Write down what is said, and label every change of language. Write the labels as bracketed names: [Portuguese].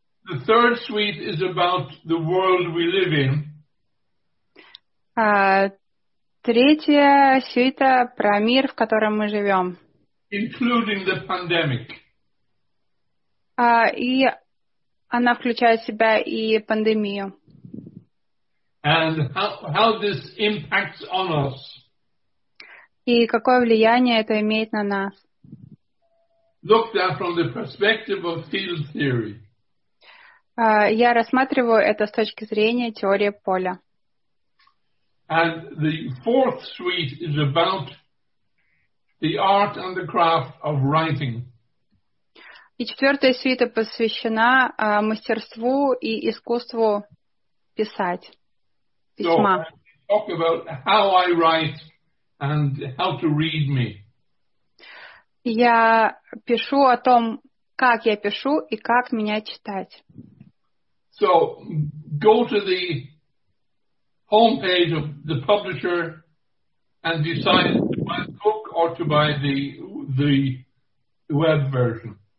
[English] The third suite is about the world we live in. [Russian] Третья сюита про мир, в котором мы живем. [English] Including the pandemic. [Russian] И она включает в себя и пандемию. [English] And how this impacts on us. [Russian] И какое влияние это имеет на нас. [English] Look that from the perspective of field theory. [Russian] Я рассматриваю это с точки зрения теории поля. [English] And the fourth suite is about the art and the craft of writing. [Russian] И четвертая сюита посвящена мастерству и искусству писать. Письма. [English] So, talk about how I write and how to read me. [Russian] Я пишу о том, как я пишу и как меня читать. [English] So, go to the homepage of the publisher and decide to buy the book or to buy the web version.